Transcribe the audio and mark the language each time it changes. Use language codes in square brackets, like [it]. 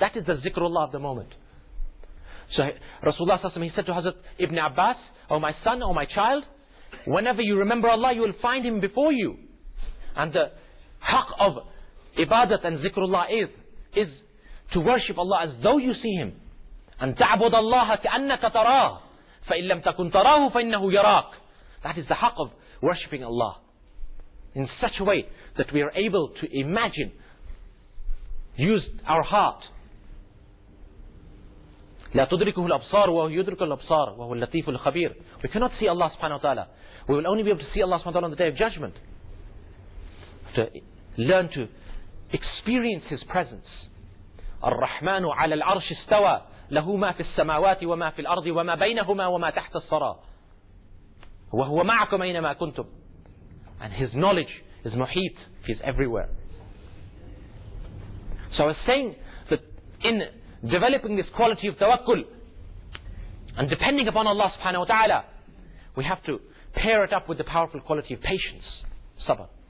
[en] That is the zikrullah of the moment. So Rasulullah ﷺ, he said to Hazrat Ibn Abbas, oh my son, oh my child, whenever you remember Allah, you will find him before you. And the haq of ibadat and zikrullah is to worship Allah as though you see him. [ar] أن تعبد الله كأنك تراه فإن لم تكن تراه فإنه يراك. [en] That is the haq of worshipping Allah in such a way that we are able to imagine, use our heart. [ar] لا تدركه الأبصار وهو يدرك الأبصار وهو اللطيف الخبير. [en] We cannot see Allah subhanahu wa ta'ala. We will only be able to see Allah subhanahu wa ta'ala on the day of judgment. We have to learn to experience His presence. [ar] الرحمن على العرش استوى له ما في السماوات وما في الأرض وما بينهما وما تحت الثرى وهو معكم أينما كنتم. [en] And his knowledge is muhit, he is everywhere. So I was saying that in developing this quality of tawakkul and depending upon Allah subhanahu wa ta'ala, we have to pair it up with the powerful quality of patience, sabr.